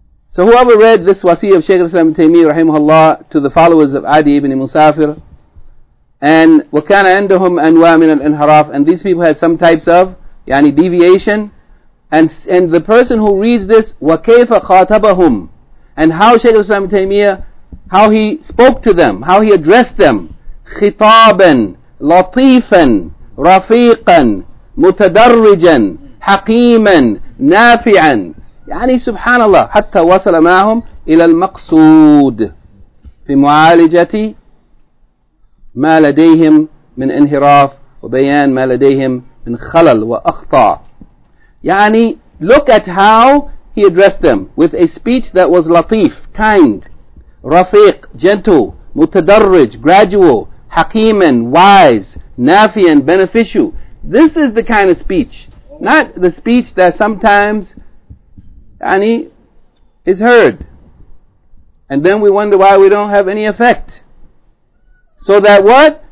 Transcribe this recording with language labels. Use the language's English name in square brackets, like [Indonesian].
[English] So whoever read this wasiyah of Shaykh al-Islam ibn Taymiyyah rahimahullah to the followers of Adi ibn Musafir, and [Arabic] وَكَانَ عَنْدَهُمْ أَنْوَى مِنَ الْإِنْحَرَافِ, [English] and these people had some types of yani deviation, and the person who reads this, [Arabic] وَكَيْفَ خَاتَبَهُمْ, [English] and how Shaykh al-Islam ibn Taymiyyah, how he spoke to them, how he addressed them, [Arabic] خِطَابًا لَطِيفًا رَفِيقًا مُتَدَرِّجًا حَقِيمًا نَافِعًا. يعني سبحان الله حتى وصل معهم إلى المقصود في معالجة ما لديهم من انحراف وبيان ما لديهم من خلل وأخطاء. [English] يعني look at how he addressed them with a speech that was latif, kind, rafiq, gentle, mutadarrij, gradual, hakeeman, wise, nafian, beneficial. This is the kind of speech, not the speech that sometimes yani is heard, and then we wonder why we don't have any effect. So that what?